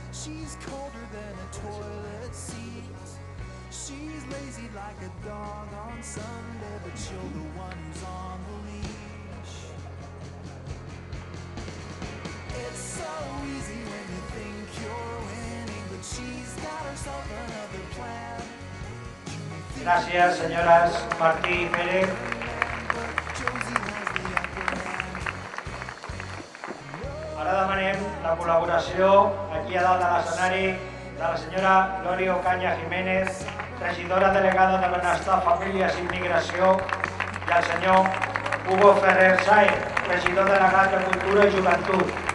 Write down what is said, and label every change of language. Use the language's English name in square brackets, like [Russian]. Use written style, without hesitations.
[English] She's colder than a toilet seat. She's lazy like a dog on Sunday, but you're the one who's on the leash. It's so easy when you think you're winning, but she's got herself another plan. [Spanish] Gracias, señoras Martí y Pérez. [Catalan] Ara demanem la col·laboració aquí a dalt de l'escenari de la senyora Lori Ocaña Jiménez, regidora delegada de Benestar, Famílies i Immigració, i el senyor Hugo Ferrer Sáenz, regidor delegat de Cultura i Joventut.